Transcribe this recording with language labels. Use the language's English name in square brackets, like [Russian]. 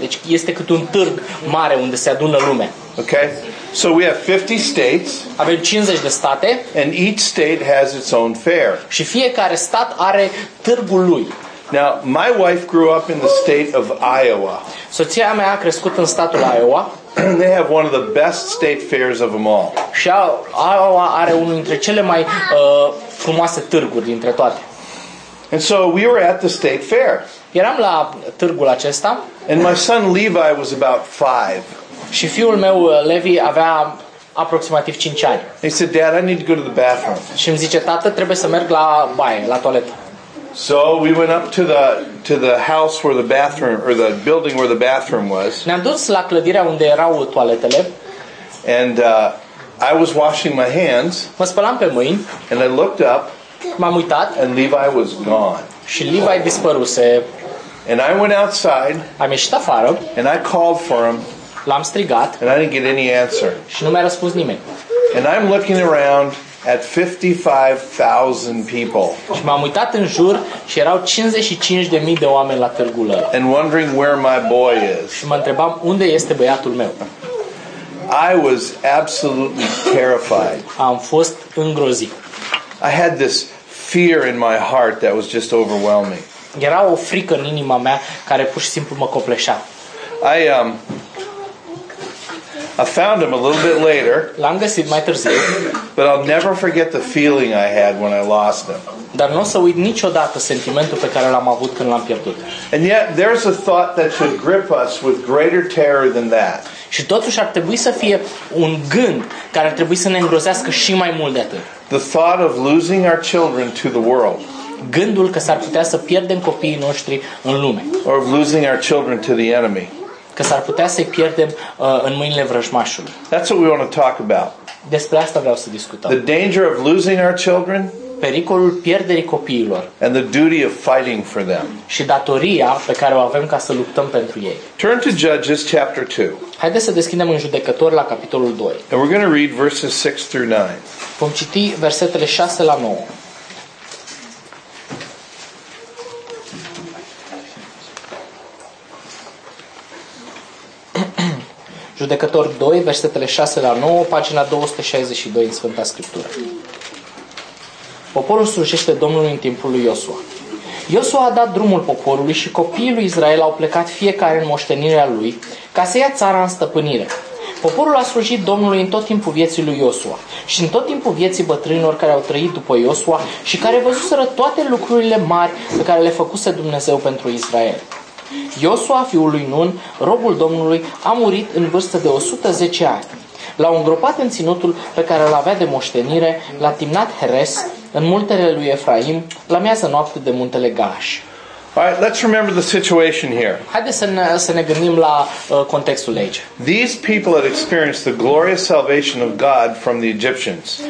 [Romanian] Deci este cât un târg mare unde se adună lume. [English] Okay. So we have 50 states. [Romanian] Avem 50 de state. [English] And each state has its own fair. [Romanian] Și fiecare stat are târgul lui. [English] Now, my wife grew up in the state of Iowa. [Romanian] Soția mea a crescut în statul Iowa. [English] They have one of the best state fairs of them all. [Romanian] Și Iowa are unul dintre cele mai frumoase târguri dintre toate. [English] And so we were at the state fair. [Romanian] Eram la târgul acesta. [English] And my son Levi was about 5. [Romanian] Și fiul meu Levi avea aproximativ 5 ani. [English] He said, "Dad, I need to go to the bathroom." [Romanian] Și îmi zice, tată, trebuie să merg la baie, la toaletă. [English] So we went up to the house where the bathroom or the building where the bathroom was. [Romanian] Ne-am dus la clădirea unde erau toaletele. [English] And I was washing my hands. [Romanian] Mă spălam pe mâini. [English] And I looked up. [Romanian] M-am uitat. [English] And Levi was gone. [Romanian] Și Levi dispăruse. [English] And I went outside. [Romanian] Am ieșit afară. [English] And I called for him. [Romanian] L-am strigat. [English] And I didn't get any answer. [Romanian] Și nu mi-a răspuns nimeni. [English] And I'm looking around at 55,000 people. [Romanian] Și m-am uitat în jur și erau 55,000 de oameni la târgul ăla. [English] And wondering where my boy is. [Romanian] Și mă întrebam unde este băiatul meu. [English] I was absolutely terrified. [Romanian] Am fost îngrozit. [English] I had this fear in my heart that was just overwhelming. [Romanian] Era o frică în inima mea care pur și simplu mă copleșea. [English] I found him a little bit later. [Romanian] L-am găsit mai târziu. [English] But I'll never forget the feeling I had when I lost him. [Romanian] Dar n-o să uit niciodată sentimentul pe care l-am avut când l-am pierdut. [English] And yet there's a thought that should grip us with greater terror than that. [Romanian] Și totuși ar trebui să fie un gând care ar trebui să ne îngrozească și mai mult de atât. [English] The thought of losing our children to the world. [Romanian] Gândul că s-ar putea să pierdem copiii noștri în lume. [English] Or of losing our children to the enemy. [Romanian] Că s-ar putea să-i pierdem în mâinile vrăjmașului. [English] That's what we want to talk about. [Romanian] Despre asta vreau să discutăm. [English] The danger of losing our children. [Romanian] Pericolul pierderii copiilor. [English] And the duty of fighting for them. [Romanian] Și datoria pe care o avem ca să luptăm pentru ei. [English] Turn to Judges chapter 2. [Romanian] Haideți să deschidem în Judecători la capitolul 2. [English] And we're going to read verses 6 through 9. [Romanian] Vom citi versetele 6 la 9. Judecător 2, versetele 6 la 9, pagina 262 în Sfânta Scriptură. Poporul slujește Domnului în timpul lui Iosua. Iosua a dat drumul poporului și copiii lui Israel au plecat fiecare în moștenirea lui ca să ia țara în stăpânire. Poporul a slujit Domnului în tot timpul vieții lui Iosua și în tot timpul vieții bătrânilor care au trăit după Iosua și care văzuseră toate lucrurile mari pe care le făcuse Dumnezeu pentru Israel. Iosua, fiul lui Nun, robul Domnului, a murit în vârstă de 110 ani. L-au îngropat în ținutul pe care îl avea de moștenire la Timnat Heres, în muntele lui Efraim, la miază noapte de muntele Gaș. [English] Alright, let's remember the situation here. [Romanian] Haideți să ne gândim la contextul aici. [English] These people had experienced the glorious salvation of God from the Egyptians.